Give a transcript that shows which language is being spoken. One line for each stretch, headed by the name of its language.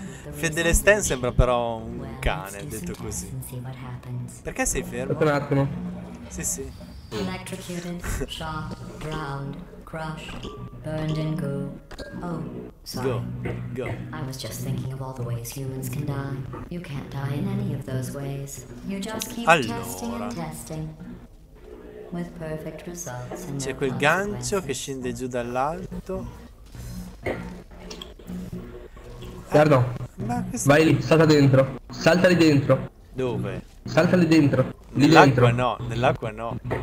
Italian: Fedele Stan sembra però un cane, detto così. Perché sei fermo? Un attimo. Sì, sì.
English: Electrocuted, shot, drowned, crushed, burned in goo. Oh, sorry. Go. I was just thinking of all the ways humans can die. You can't die in any of those ways. You just keep testing. With perfect results.
Italian: C'è quel gancio che scende giù dall'alto. Guarda, vai lì, salta dentro. Salta lì dentro. Dove? Salta lì dentro. Lì nell'acqua dentro. No, nell'acqua no.